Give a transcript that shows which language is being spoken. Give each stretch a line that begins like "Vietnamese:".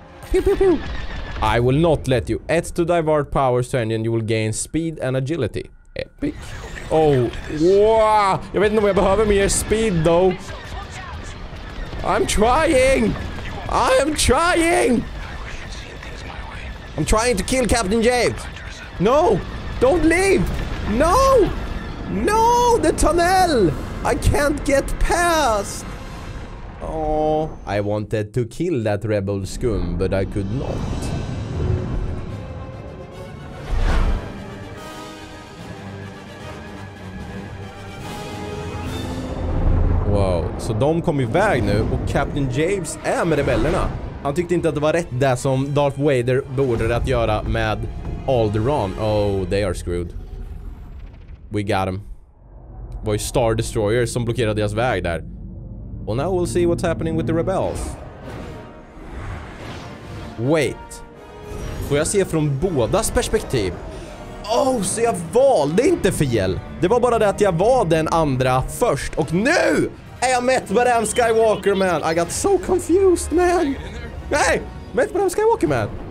English: Pew, pew, pew. I will not let you. Add to divert powers to engine, you will gain speed and agility. Epic. Oh, wow.
Swedish: Jag vet inte om jag behöver mer speed, though.
English: I'm trying. I am trying. I'm trying to kill Captain James. No, don't leave. No, no, the tunnel. I can't get past. Oh, I wanted to kill that rebel scum, but I could not.
Swedish: Wow, så de kom iväg nu och Captain James är med rebellerna. Han tyckte inte att det var rätt där som Darth Vader borde att göra med Alderaan.
English: Oh, they are screwed. We got him.
Swedish: Det var ju Star Destroyer som blockerade deras väg där.
English: Well, now we'll see what's happening with the rebels. Wait.
Swedish: Får jag se från bådas perspektiv? Oh, så jag valde inte fel. Det var bara det att jag var den andra först. Och nu är jag mätt med den Skywalker, man.
English: I got so confused, man. Hey,
Swedish: mätt med den Skywalker, man.